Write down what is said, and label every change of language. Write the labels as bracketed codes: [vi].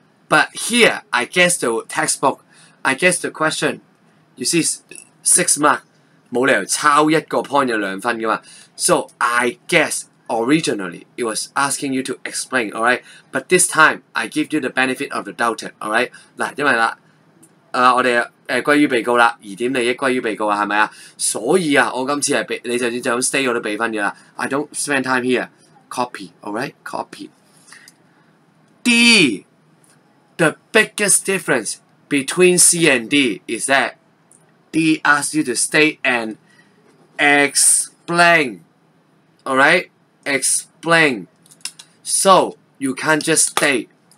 [en] But here, I guess the textbook, I guess the question. You see, 6 mark, [yue] 冇理由抄一個 point 有兩分噶嘛。 [en] So I guess originally it was asking you to explain, all right? But this time I give you the benefit of the doubt, all right? [yue] 嗱，因為啦，我哋歸於被告啦，疑點利益歸於被告啊，係咪啊？所以啊，我今次係俾你就咁 stay 我都俾分噶啦。 [en] I don't spend time here. Copy, all right? Copy. D, the biggest difference between C and D is that. D asks you to stay and explain. Alright? Explain. So, you can't just stay.